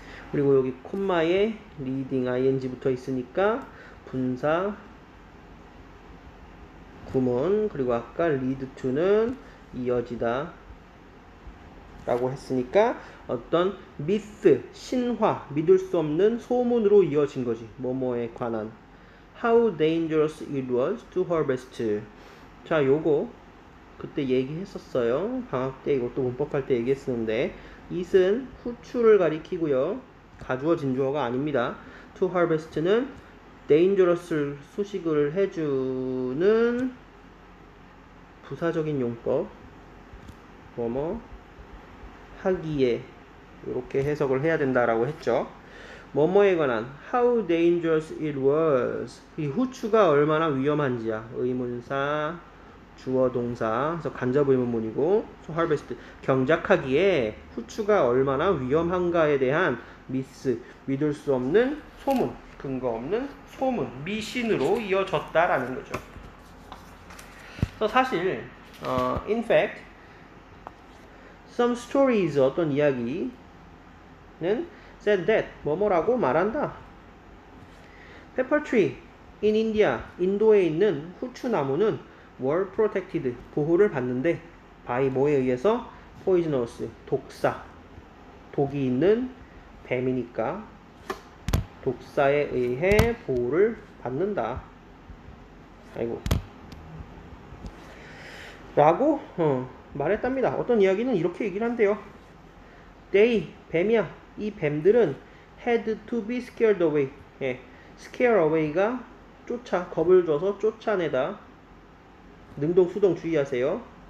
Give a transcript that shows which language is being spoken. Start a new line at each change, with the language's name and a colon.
Korean: 그리고 여기 콤마에 leading ing 붙어 있으니까 분사 구문, 그리고 아까 lead to는 이어지다 라고 했으니까 어떤 myth, 신화, 믿을 수 없는 소문으로 이어진 거지. 뭐뭐에 관한.
English: How dangerous it was to harvest.
Korean: 자, 요거 그때 얘기했었어요. 방학 때 이것도 문법할 때 얘기했었는데, it은 후추를 가리키고요. 가주어 진주어가 아닙니다.
English: To harvest
Korean: 는 dangerous를 수식을 해주는 부사적인 용법. 뭐뭐 하기에 이렇게 해석을 해야 된다라고 했죠. 뭐뭐에 관한
English: how dangerous it was.
Korean: 이 후추가 얼마나 위험한지야. 의문사, 주어 동사. 그래서 간접 의문문이고.
English: So harvest,
Korean: 경작하기에 후추가 얼마나 위험한가에 대한 미스, 믿을 수 없는 소문, 근거 없는 소문, 미신으로 이어졌다라는 거죠. 그래서 사실
English: in fact some stories,
Korean: 어떤 이야기는
English: said that,
Korean: 뭐뭐라고 말한다.
English: Pepper tree in India,
Korean: 인도에 있는 후추나무는
English: were protected,
Korean: 보호를 받는데, by 뭐에 의해서? poisonous, 독사. 독이 있는 뱀이니까 독사에 의해 보호를 받는다. 아이고. 라고 말했답니다. 어떤 이야기는 이렇게 얘기를 한대요. They, 뱀이야. 이 뱀들은
English: had to be scared away.
Korean: 예. scare away가 쫓아, 겁을 줘서 쫓아내다. 능동, 수동 주의하세요.